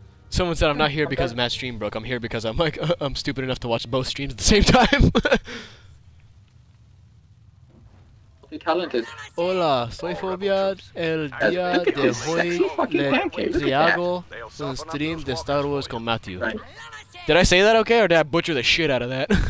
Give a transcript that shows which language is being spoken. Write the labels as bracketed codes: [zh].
[en] Someone said, I'm not here because Matt's stream broke. I'm here because I'm, like, I'm stupid enough to watch both streams at the same time. Talented. [es] Hola, soy Fobia, el día de hoy le triago un stream de Star Wars con Matthew. [en] Did I say that okay, or did I butcher the shit out of that?